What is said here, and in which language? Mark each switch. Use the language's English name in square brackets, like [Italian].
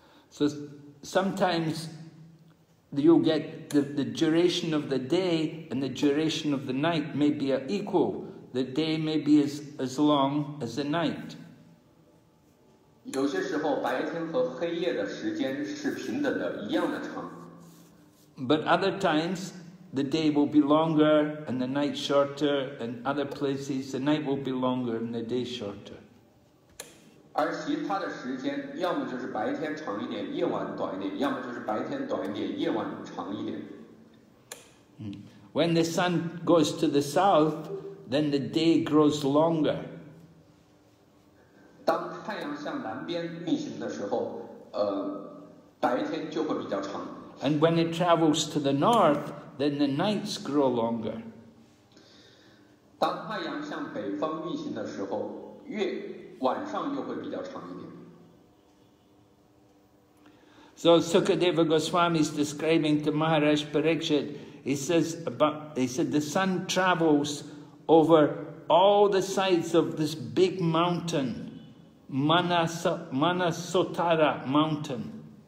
[English] So sometimes you get the duration of the day and the duration of the night may be equal. The day may be as long as the night. [Chinese] 有些时候白天和黑夜的时间是平等的，一样的长。 [English] But other times the day will be longer and the night shorter, and other places the night will be longer and the day shorter. [Chinese] 而其他的时间要么就是白天长一点夜晚短一点，要么就是白天短一点夜晚长一点。 [English] When the sun goes to the south, then the day grows longer. [Chinese] 当太阳向南边运行的时候，白天就会比较长。 [English] And when it travels to the north, then the nights grow longer. [Chinese] 当太阳向北方运行的时候，月晚上又会比较长一点。 [English] So Sukadeva Goswami is describing to Maharaj Parikshit, he said the sun travels over all the sides of this big mountain, Manasotara mountain.